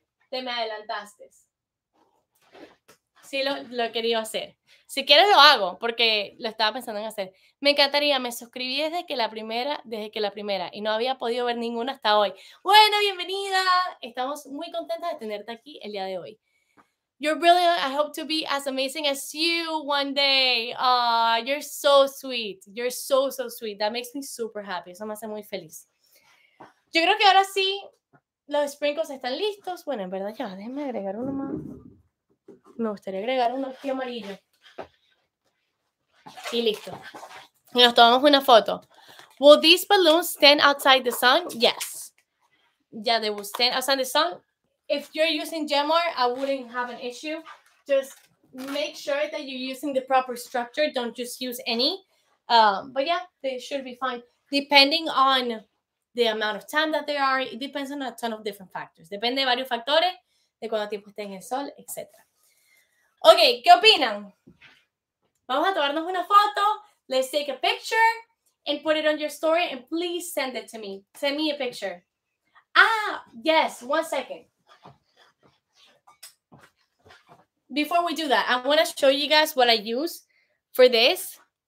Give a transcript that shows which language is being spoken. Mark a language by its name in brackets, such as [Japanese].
[Spanish] Te me adelantaste. Sí, lo he querido hacer. Si quieres, lo hago, porque lo estaba pensando en hacer. Me encantaría, me suscribí desde que la primera, y no había podido ver ninguna hasta hoy. Bueno, bienvenida. Estamos muy contentas de tenerte aquí el día de hoy. [English] You're brilliant. I hope to be as amazing as you one day. You're so sweet. You're so, so sweet. That makes me super happy. [Spanish] Eso me hace muy feliz. Yo creo que ahora sí, los sprinkles están listos. Bueno, en verdad, ya, déjame agregar uno más. Me gustaría agregar uno aquí amarillo. Y listo. Nos tomamos una foto. [English] Will these balloons stand outside the sun? Yes. Yeah, they will stand outside the sun. If you're using Gemmar, I wouldn't have an issue. Just make sure that you're using the proper structure. Don't just use any. But yeah, they should be fine. Depending on the amount of time that they are, it depends on a ton of different factors. [Spanish] Depende de varios factores, de cuánto tiempo esté en el sol, etc. Ok, ¿qué opinan? Vamos a tomarnos una foto. [English] Let's take a picture and put it on your story and please send it to me. Send me a picture. Ah, yes, one second. Before we do that, I want to show you guys what I use for this.